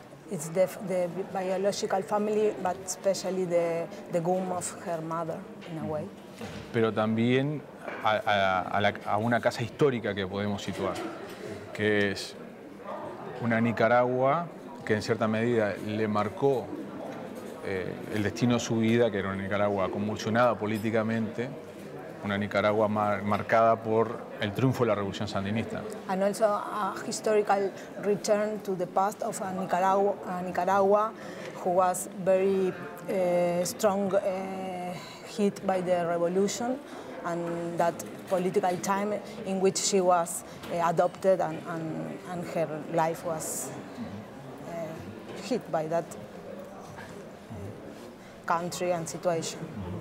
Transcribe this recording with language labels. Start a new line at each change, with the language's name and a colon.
English: It's the biological family, but especially the womb of her mother, in a way.
Spanish: Pero también a una casa histórica que podemos situar, que es una Nicaragua que en cierta medida le marcó el destino de su vida, que era una Nicaragua convulsionada políticamente, una Nicaragua marcada por el triunfo de la revolución sandinista.
English: And also a historical return to the past of a Nicaragua who was very strong hit by the revolution and that political time in which she was adopted and her life was hit by that country and situation.